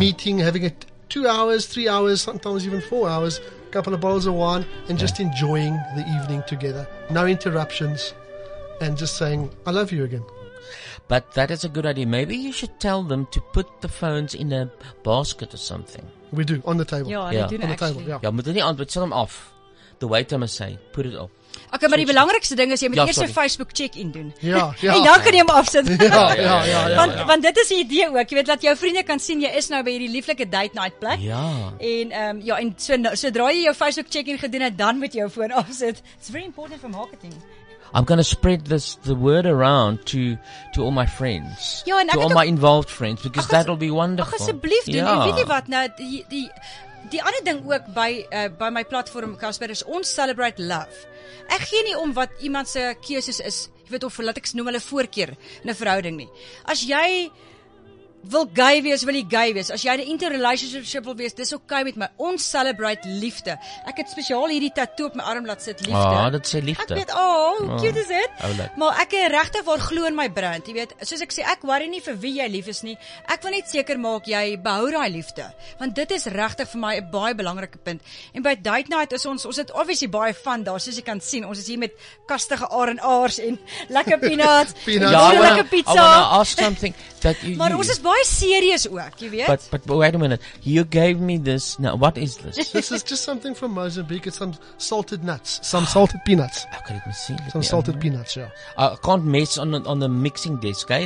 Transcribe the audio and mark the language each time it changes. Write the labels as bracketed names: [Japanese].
[English] Meeting, having it 2 hours, 3 hours, sometimes even 4 hours, a couple of bottles of wine, and just enjoying the evening together. No interruptions. and just saying, I love you again. But that is a good idea. Maybe you should tell them to put the phones in a basket or something. We do, on the table. Yeah, they do, on the table. Yeah, but then you tell them off. The waiter must say, put it off. [Afrikaans] Okay, maar die belangrikste ding is jy moet eers 'n Facebook check-in doen. Ja. En dan kan jy hom afsit. Ja. Want dit is 'n idee ook, jy weet, laat jou vriende kan sien jy is nou by hierdie lieflike date night plek. Ja. En ja, en sodra jy jou Facebook check-in gedoen het, dan moet jy jou foon afsit. [English] It's very important for marketing. I'm going to spread this the word around to all my friends. Ja, en to all my involved friends because that'll be wonderful. [Afrikaans] Asseblief doen. Ja. En weet jy wat nou die ander ding ook by my platform Casper is ons [English] celebrate love. [Afrikaans] Ek gee nie om wat iemand se keuses is, jy weet of laat ek noem hulle voorkeur in 'n verhouding nie. As jy wil gay wees, wil jy gay wees. As jy 'n interrelationship wil wees, dis okay met my. Ons celebrate liefde. Ek het spesiaal hierdie tattoo op my arm laat sit, liefde. Ah, dit sê liefde. Ek weet, cute is dit. Maar ek het regtig waar glo in my brand, jy weet. Soos ek sê, ek worry nie vir wie jy lief is nie. Ek wil net seker maak jy behou daai liefde, want dit is regtig vir my 'n baie belangrike punt. En by Date Night is ons het obviously baie fun daar, soos jy kan sien. Ons is hier met kastige R&R's en lekker peanuts. Lekker pizza. [English] I wanna ask something that you [Afrikaans] Maar ons is baie serious ook, jy weet. [English] But wait a minute. You gave me this. Now, what is this? This is just something from Mozambique. It's some salted nuts. Some salted peanuts. Okay, let me see. Some salted peanuts, yeah. I can't mess on the mixing desk, okay?